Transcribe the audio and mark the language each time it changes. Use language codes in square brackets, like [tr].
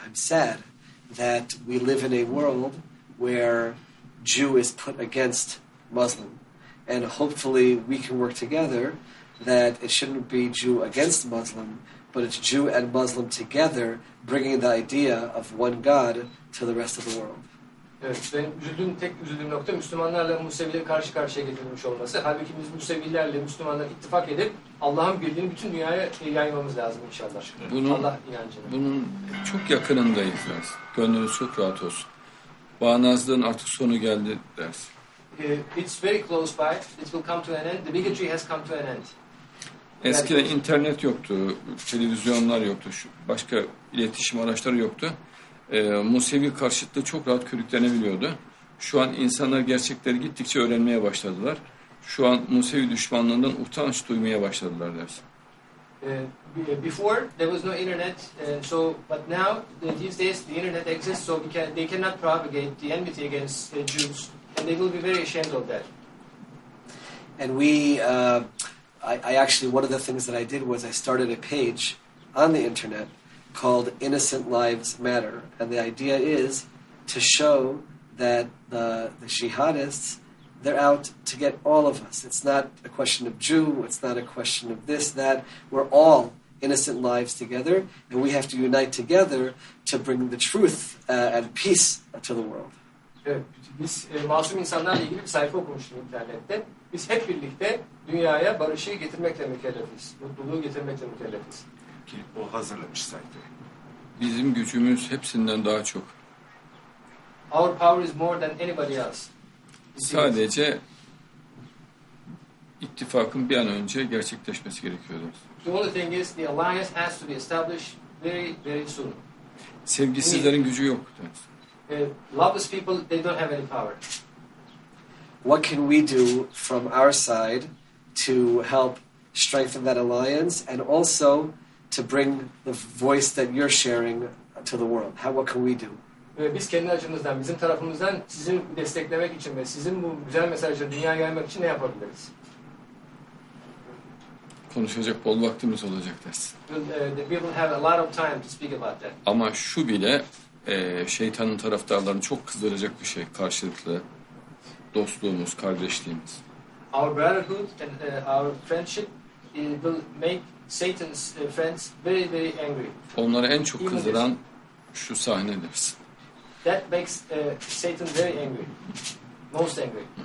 [en] I'm sad that we live in a world where Jew is put against Muslim. And hopefully we can work together that it shouldn't be Jew against Muslim, but it's Jew and Muslim together bringing the idea of one God to the rest of the world. [tr] Evet, benim üzüldüğüm, tek üzüldüğüm nokta Müslümanlarla Musevilerin karşı karşıya getirilmiş olması. Halbuki biz Musevilerle Müslümanlar ittifak edip Allah'ın birliğini bütün dünyaya yaymamız lazım inşallah. Bunun, Allah inancını. Bunun çok yakınındayız. Biraz. Gönlünüz çok rahat olsun. Bağnazlığın artık sonu geldi ders. [en] It's very close by. It will come to an end. The bigotry has come to an end. [tr] Eskiden internet yoktu, televizyonlar yoktu, başka iletişim araçları yoktu. Musevi karşıtlığı çok rahat körüklenebiliyordu. Şu an insanlar gerçekleri gittikçe öğrenmeye başladılar. Şu an Musevi düşmanlığından utanç duymaya başladılar dersin. [en] Before there was no internet, so but now these days the internet exists, so they cannot propagate the enmity against Jews, and they will be very ashamed of that. And we, I actually, one of the things that I did was I started a page on the internet called Innocent Lives Matter, and the idea is to show that the jihadists, they're out to get all of us. It's not a question of Jew, it's not a question of this, that. We're all innocent lives together, and we have to unite together to bring the truth and peace to the world. [tr] Evet, biz masum insanlarla ilgili bir sayfa okumuştum internette. Biz hep birlikte dünyaya barışı getirmekle mükellefiz, mutluluğu getirmekle mükellefiz. O hazırlamış sayfayı. Bizim gücümüz hepsinden daha çok. [en] Our power is more than anybody else. [tr] Sadece ittifakın bir an önce gerçekleşmesi gerekiyordu. [en] The only thing is the alliance has to be established very very soon. [tr] Sevgisizlerin gücü yok. [en] Loveless people, they don't have any power. What can we do from our side to help strengthen that alliance and also to bring the voice that you're sharing to the world? What can we do? [tr] Biz kendi açımızdan, bizim tarafımızdan sizin desteklemek için ve sizin bu güzel mesajları dünyaya yaymak için ne yapabiliriz? Konuşacak bol vaktimiz olacak dersin. [en] We will have a lot of time to speak about that. [tr] Ama şu bile şeytanın taraftarlarını çok kızdıracak bir şey. Karşılıklı dostluğumuz, kardeşliğimiz. [en] Our brotherhood and our friendship will make Satan's friends very very angry. [tr] Onları en çok kızdıran şu sahne deriz. [en] That makes Satan very angry. Most angry.